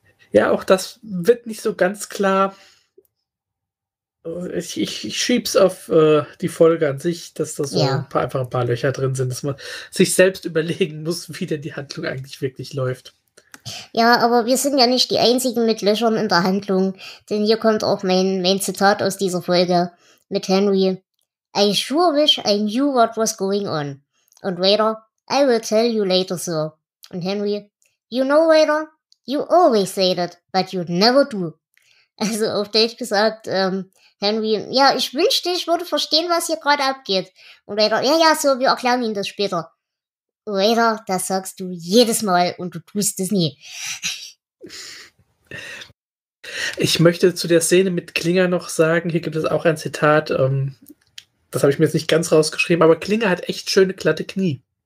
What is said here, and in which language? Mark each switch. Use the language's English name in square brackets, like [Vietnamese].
[German] Ja, auch das wird nicht so ganz klar. Ich schieb's auf die Folge an sich, dass da so Ja. einfach ein paar Löcher drin sind, dass man sich selbst überlegen muss, wie denn die Handlung eigentlich wirklich läuft. Ja, aber wir sind ja nicht die Einzigen mit Löchern in der Handlung. Denn hier kommt auch mein Zitat aus dieser Folge mit Henry. [English] I sure wish I knew what was going on. Und Waiter, I will tell you later, sir. Und Henry, you know, Waiter, you always say that, but you never do. [German] Also auf Deutsch gesagt, Henry, ja, ich wünschte, ich würde verstehen, was hier gerade abgeht. Und Waiter, ja, so, wir erklären Ihnen das später. Waiter, das sagst du jedes Mal und du tust es nie. Ich möchte zu der Szene mit Klinger noch sagen, hier gibt es auch ein Zitat, das habe ich mir jetzt nicht ganz rausgeschrieben, aber Klinger hat echt schöne glatte Knie.